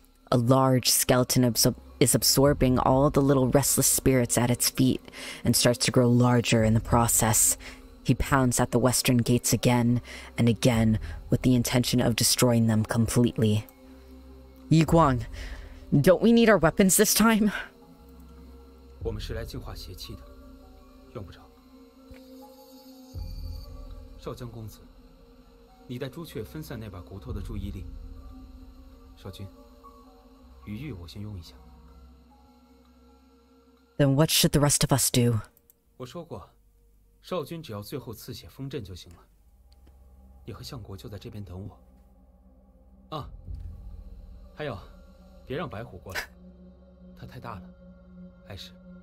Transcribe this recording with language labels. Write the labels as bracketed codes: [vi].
[en] A large skeleton is absorbing all the little restless spirits at its feet and starts to grow larger in the process. He pounds at the western gates again and again with the intention of destroying them completely. Yi Guang, don't we need our weapons this time? [zh] 我们是来净化邪气的，用不着。少将公子，你带朱雀分散那把骨头的注意力。少君，余玉我先用一下。 [en] Then what should the rest of us do? [zh] 我说过，少君只要最后刺血封阵就行了。你和相国就在这边等我。啊，还有，别让白虎过来，他太大了，碍事。